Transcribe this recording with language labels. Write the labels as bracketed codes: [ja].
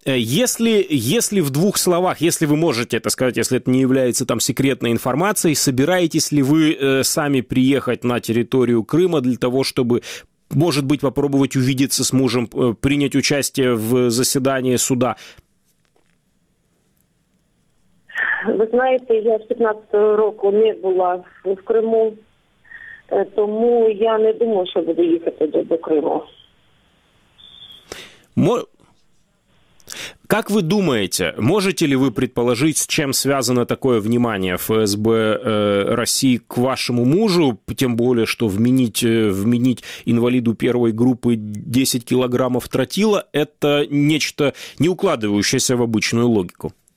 [ru] Если в двух словах, если вы можете это сказать, если это не является там секретной информацией, собираетесь ли вы сами приехать на территорию Крыма для того, чтобы, может быть, попробовать увидеться с мужем, принять участие в заседании суда? Вы знаете, я с 15-го года не была в Крыму. [uk] Тому я не думаю, що буду їхати до Криму. [ru] Как вы думаете, можете ли вы предположить, с чем связано такое внимание ФСБ России к вашему мужу, тем более, что вменить инвалиду первой группы 10 килограммов тротила, это нечто не укладывающееся в обычную логику?